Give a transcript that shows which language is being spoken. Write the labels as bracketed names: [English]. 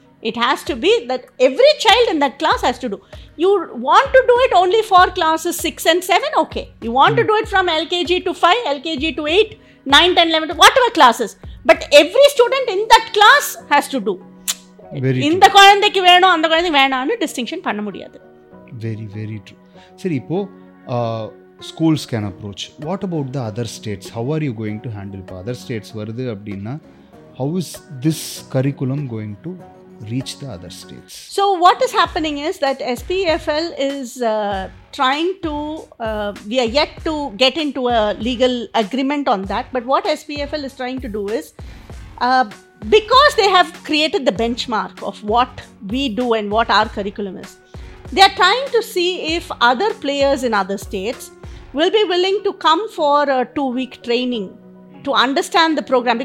[English] It has to be that every child in that class has to do. You want to do it only for classes 6 and 7, okay. You want to do it from LKG to 5, LKG to 8, 9, 10, 11, whatever classes. But every student in that class has to do. [Tamil] இந்த குழந்தைக்கு வேணும் அந்த குழந்தைக்கு வேணாம்னு distinction பண்ண முடியாது. [English] Very very true. [Tamil] சரி, இப்போ [English] Schools can approach. What about the other states? How are you going to handle? [Tamil] இப்போ அதர் ஸ்டேட்ஸ் வருது அப்படின்னா, [English] How is this curriculum going to reach the other states? So what is happening is that SPEFL is trying to, we are yet to get into a legal agreement on that. But what SPEFL is trying to do is, because they have created the benchmark of what we do and what our curriculum is, they are trying to see if other players in other states will be willing to come for a 2-week training to understand the program.